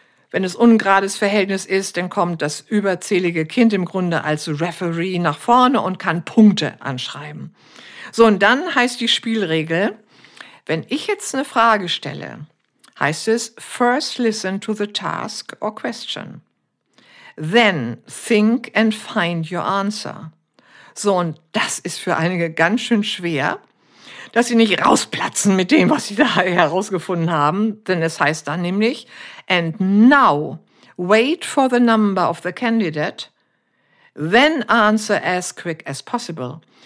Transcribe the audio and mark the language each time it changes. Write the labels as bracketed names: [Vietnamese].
[German] Wenn es ungerades Verhältnis ist, dann kommt das überzählige Kind im Grunde als Referee nach vorne und kann Punkte anschreiben. So, und dann heißt die Spielregel, wenn ich jetzt eine Frage stelle, heißt es [English] first listen to the task or question. Then think and find your answer. [German] So, und das ist für einige ganz schön schwer, dass sie nicht rausplatzen mit dem, was sie da herausgefunden haben. Denn es heißt dann nämlich, [English] and now wait for the number of the candidate, then answer as quick as possible.